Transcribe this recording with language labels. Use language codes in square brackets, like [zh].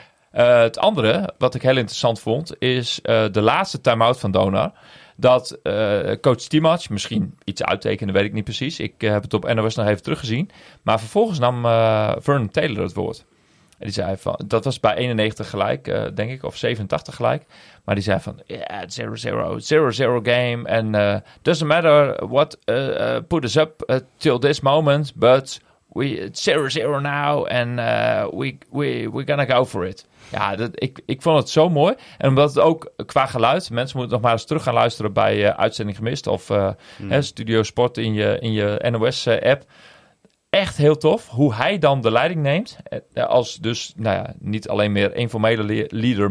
[nl] Het andere, wat ik heel interessant vond, is de laatste time-out van Donar. Dat coach Timac, misschien iets uittekende, weet ik niet precies. Ik heb het op NOS nog even teruggezien. Maar vervolgens nam Vernon Taylor het woord. En die zei van, dat was bij 91 gelijk, denk ik, of 87 gelijk. Maar die zei van, [en] yeah, 0-0, 0-0 game. And doesn't matter what put us up till this moment, but... It's 0-0 now and we're gonna go for it. [nl] Ja, ik vond het zo mooi. En omdat het ook qua geluid... Mensen moeten nog maar eens terug gaan luisteren bij Uitzending Gemist... of Studio Sport in je NOS-app. Echt heel tof hoe hij dan de leiding neemt. Als dus niet alleen meer informele leader...